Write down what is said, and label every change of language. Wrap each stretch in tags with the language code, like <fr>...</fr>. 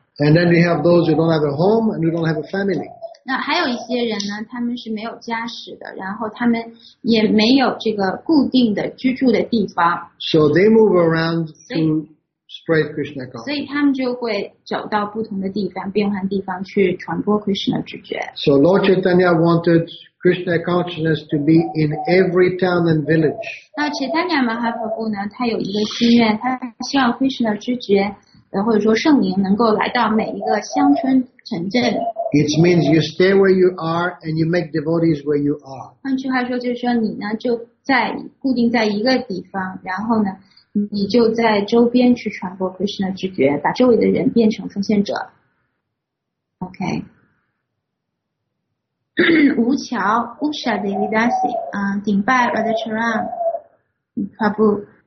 <en>And then we have those who don't have a home and who don't have a family.</en> <zh>那还有一些人呢，他们是没有家室的，然后他们也没有这个固定的居住的地方。</zh> <en>So they move around to spread Krishna consciousness.</en> <zh>所以他们就会走到不同的地方，变换地方去传播 Krishna 知觉。</zh> <en>So Lord Chaitanya wanted Krishna consciousness to be in every town and village.</en> <zh>那 Chaitanya Mahaprabhu 呢，他有一个心愿，他希望 Krishna 知觉。或者说圣灵能够来到每一个乡村城镇。</zh> <en>It means you stay where you are and you make devotees where you are.</en> <zh>换句话说，就是说你呢就在固定在一个地方，然后呢你就在周边去传播 Krishna 知觉，把周围的人变成奉献者。</zh> <en>OK.</en> <zh>吴桥 Usha Devidasi, 顶拜 Radha Charan, Prabhu.</zh>